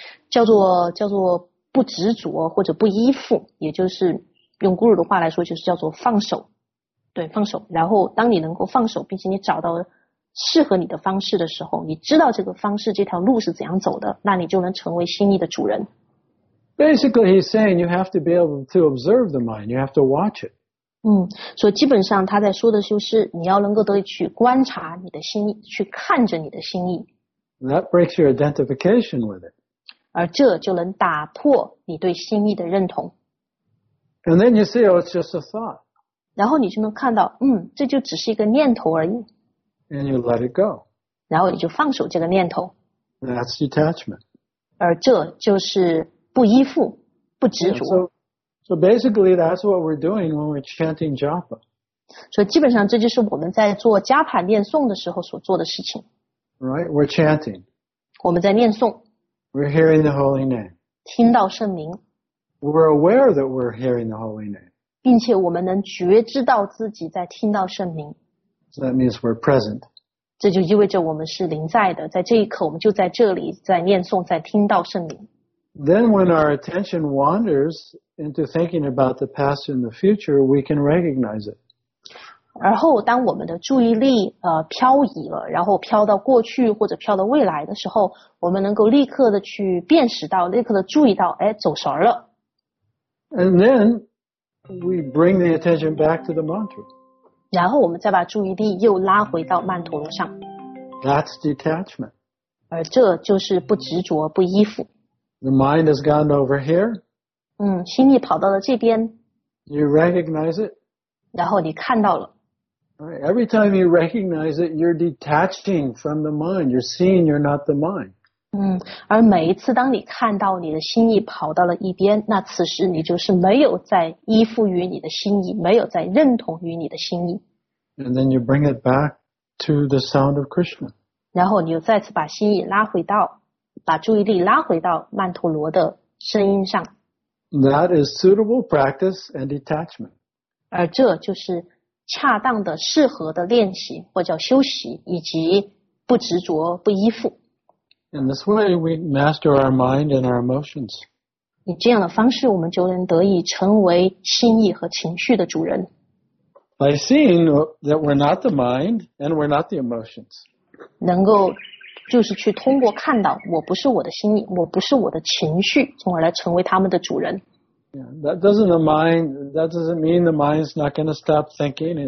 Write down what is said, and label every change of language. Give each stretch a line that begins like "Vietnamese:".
Chinese: 叫做不执着或者不依附，也就是用guru的话来说，就是叫做放手，对，放手。然后当你能够放手，并且你找到适合你的方式的时候，你知道这个方式这条路是怎样走的，那你就能成为心意的主人。
English: Basically, he's saying you have to be able to observe the mind, you have to watch it.
Chinese: 所以基本上他在说的就是你要能够得以去观察你的心意，去看着你的心意。
English: That breaks your identification with it.
Chinese: 而这就能打破你对心意的认同。
English: And then you see, oh, it's just a thought.
Chinese: 然后你就能看到，这就只是一个念头而已。
English: And you let it go.
Chinese: 然后你就放手这个念头。
English: That's detachment.
Chinese: 而这就是不依附，不执着。
English: So basically, that's what we're doing when we're chanting japa.
Chinese: 所以基本上这就是我们在做加帕念诵的时候所做的事情。
English: Right, we're chanting.
Chinese: 我们在念诵。
English: We're hearing the holy name.
Chinese: 听到圣名。
English: We're aware that we're hearing the holy name.
Chinese: 并且我们能觉知到自己在听到圣名。
English: So that means we're present.
Chinese: 这就意味着我们是临在的，在这一刻我们就在这里，在念诵，在听到圣名。
English: Then when our attention wanders into thinking about the past and the future, we can recognize it.
Chinese: 而后当我们的注意力漂移了，然后飘到过去或者飘到未来的时候，我们能够立刻的去辨识到，立刻的注意到，哎，走神了。
English: And then we bring the attention back to the mantra.
Chinese: 然后我们再把注意力又拉回到曼陀罗上。
English: That's detachment.
Chinese: 而这就是不执着，不依附。
English: The mind has gone over here.
Chinese: 心意跑到了这边。
English: You recognize it.
Chinese: 然后你看到了。
English: Right. Every time you recognize it, you're detaching from the mind. You're seeing you're not the mind.
Chinese: 而每一次当你看到你的心意跑到了一边，那此时你就是没有在依附于你的心意，没有在认同于你的心意。
English: And then you bring it back to the sound of Krishna.
Chinese: 然后你又再次把心意拉回到，把注意力拉回到曼陀罗的声音上。
English: That is suitable practice and detachment.
Chinese: 而这就是恰当的适合的练习或者叫休息以及不执着不依附。
English: In this way we master our mind and our emotions.
Chinese: 以这样的方式我们就能得以成为心意和情绪的主人。
English: By seeing that we're not the mind and we're not the emotions.
Chinese: 能够就是去通过看到我不是我的心意，我不是我的情绪，从而来成为他们的主人。
English: Yeah, that doesn't mean the mind's not going to stop thinking.